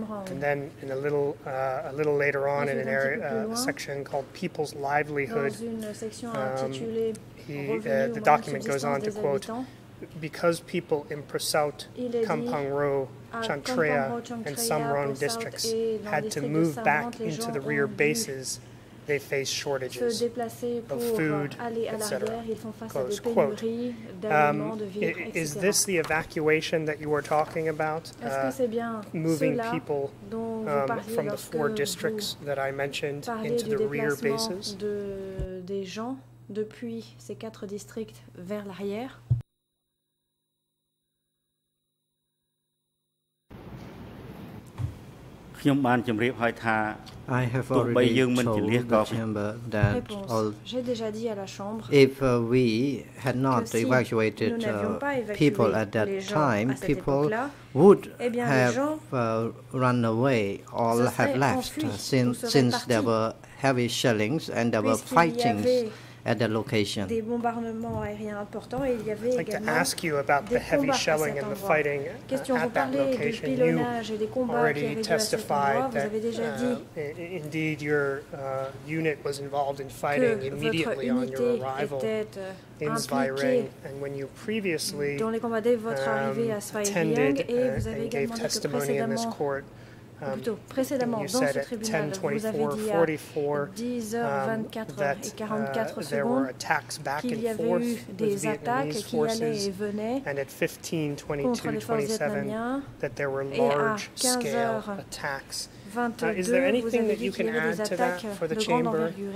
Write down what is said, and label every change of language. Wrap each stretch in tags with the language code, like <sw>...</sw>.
<en>And then in a little later on in an area, a section called People's Livelihood, the document goes on to quote, because people in Prosout, Kampong Ro, Chantria, and Samrong districts had to move back into the rear bases, they face shortages of food, etc. Close quote. Is this the evacuation that you were talking about, moving people from the four districts that I mentioned into the rear bases?</en> <fr>Des gens depuis ces quatre districts vers l'arrière?</fr> <en>I have already told the chamber that if we had not evacuated people at that time, people would have run away or have left since there were heavy shellings and there were fightings at that location.</en> <fr>Des bombardements aériens importants et il y avait</fr> <en>I'd like to ask you about the heavy shelling and the fighting at that location. You already testified that indeed your unit was involved in fighting immediately on your arrival in Zweiring, and when you previously attended and gave testimony in this court.</en> <fr>Précédemment, dans ce tribunal, vous avez dit à 10h24 et 44 secondes qu'il y avait eu des attaques qui allaient et venaient contre les forces vietnamiennes et à 15h22, vous avez dit qu'il y avait des attaques de grande envergure.</fr>